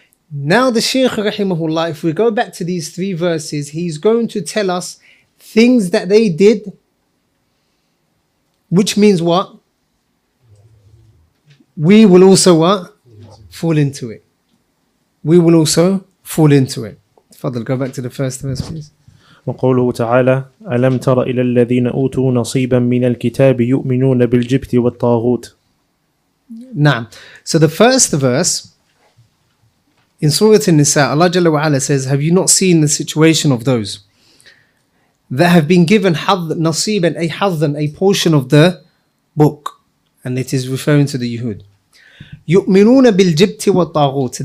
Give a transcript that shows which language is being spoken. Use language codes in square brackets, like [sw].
[en] Now the Shaykh rahimahullah, if we go back to these three verses, he's going to tell us things that they did, which means what? We will also what? Fall into it. We will also fall into it. Fadl, go back to the first verse, please. [ar] وقوله تعالى ألم تر إلى الذين أوتوا نصيبا من الكتاب يؤمنون بالجبت والطاغوت. نعم. [en] So the first verse in Surah An-Nisa, Allah Jalla wa Ala says, "Have you not seen the situation of those that have been given hadhan, a portion of the book?" And it is referring to the Yahud. [ar] يُؤْمِنُونَ بِالْجِبْتِ وَالطَّاغُوتِ.